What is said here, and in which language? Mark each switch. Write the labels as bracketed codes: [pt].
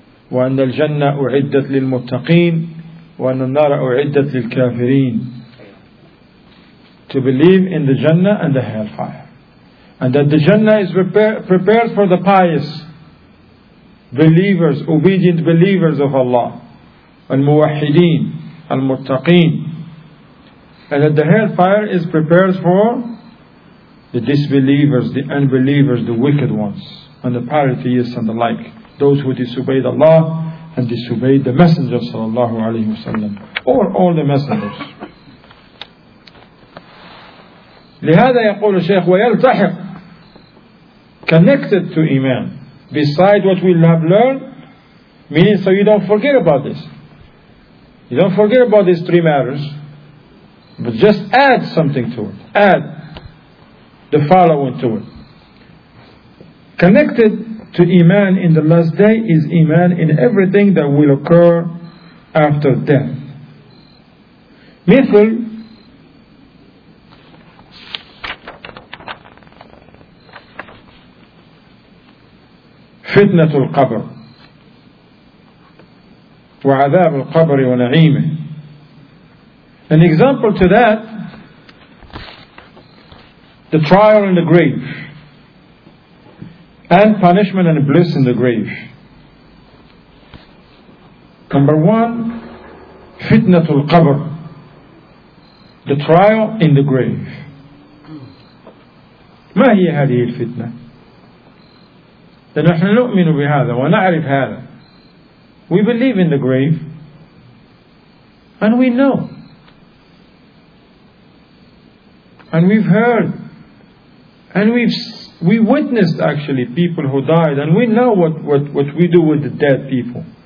[ar] وأن الجنة أعدت للمتقين وأن النار أعدت للكافرين. [en] To believe in the Jannah and the Hellfire. And that the Jannah is prepared for the pious believers, obedient believers of Allah. Al-Muwahideen, Al-Muttaqeen. And that the Hellfire is prepared for the disbelievers, the unbelievers, the wicked ones, and the parodyists and the like, those who disobeyed Allah and disobeyed the Messenger sallallahu alayhi wa sallam, or all the messengers. [ar] لهذا يقول الشيخ ويلتحق [en] connected to iman, beside what we have learned, meaning so you don't forget about this. You don't forget about these three matters, but just add something to it. Add the following to it. Connected to iman in the last day is iman in everything that will occur after death. [ar] مثل فتنة القبر وعذاب القبر ونعيمه. [en] An example to that, the trial in the grave and punishment and bliss in the grave. Number one, fitnatul qabr, the trial in the grave. [ar] ما هي هذه الفتنة؟ لأن نحن نؤمن بهذا ونعرف هذا. [en] We believe in the grave, and we know, and we've heard, and we witnessed actually people who died, and we know what we do with the dead people.